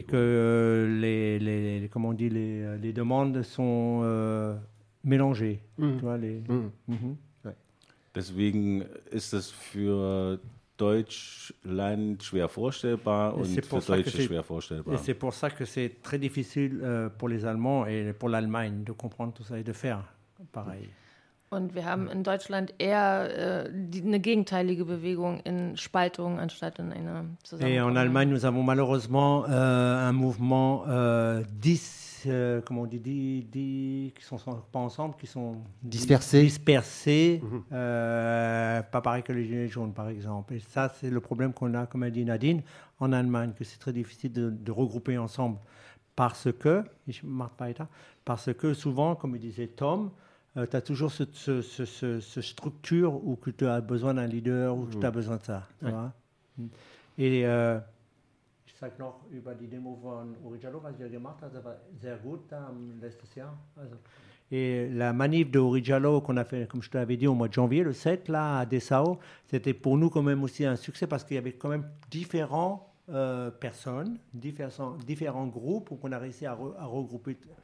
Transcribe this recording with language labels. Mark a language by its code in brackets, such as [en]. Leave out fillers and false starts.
[fr] Et que les comment on dit les demandes sont mélangées, tu vois les. [de] Deswegen ist es für Deutschland schwer vorstellbar und für Deutsche schwer vorstellbar. [fr] Et c'est pour ça que c'est très difficile pour les Allemands et pour l'Allemagne de comprendre tout ça et de faire pareil. [de] Und wir haben in Deutschland eher eine gegenteilige Bewegung in Spaltung anstatt in einer Zusammenarbeit. [fr] Et en Allemagne, nous avons malheureusement un mouvement qui sont pas ensemble, qui sont dispersés, pas pareil que les Gilets jaunes, par exemple. Et ça, c'est le problème qu'on a, comme a dit Nadine, en Allemagne, que c'est très difficile de regrouper ensemble, parce que souvent, comme disait Tom. Tu as toujours cette structure où tu as besoin d'un leader, où tu as besoin de ça. Tu vois? Et je [de] über die Demo von Uri Jalloh, was wir gemacht haben, das war sehr gut letztes Jahr. [fr] Et la manif de Uri Jalloh qu'on a fait, comme je te l'avais dit, au mois de janvier, le 7, là, à Dessau, c'était pour nous quand même aussi un succès parce qu'il y avait quand même différentes personnes, différents groupes qu'on a réussi à regrouper.